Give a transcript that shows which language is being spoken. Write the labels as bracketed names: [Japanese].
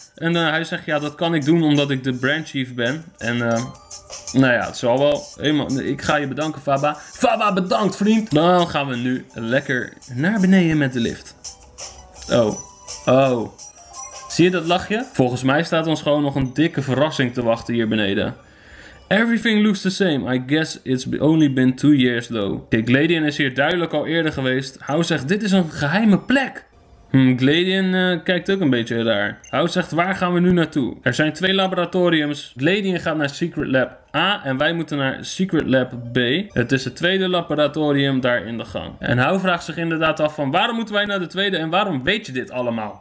[Dutch] En hij zegt, ja, dat kan ik doen omdat ik de Branch Chief ben. En, nou ja, het zal wel. Ik ga je bedanken, Faba. Faba, bedankt, vriend! Dan gaan we nu lekker naar beneden met de lift. Oh. Oh. Zie je dat lachje? Volgens mij staat ons gewoon nog een dikke verrassing te wachten hier beneden. [English] Everything looks the same. I guess it's only been 2 years, though. [Dutch] Kijk, Gladion is hier duidelijk al eerder geweest. Hou zegt, dit is een geheime plek. Gladion kijkt ook een beetje raar. Hou zegt, waar gaan we nu naartoe? Er zijn 2 laboratoriums. Gladion gaat naar Secret Lab A en wij moeten naar Secret Lab B. Het is het 2e laboratorium daar in de gang. En Hou vraagt zich inderdaad af van, waarom moeten wij naar de 2e en waarom weet je dit allemaal?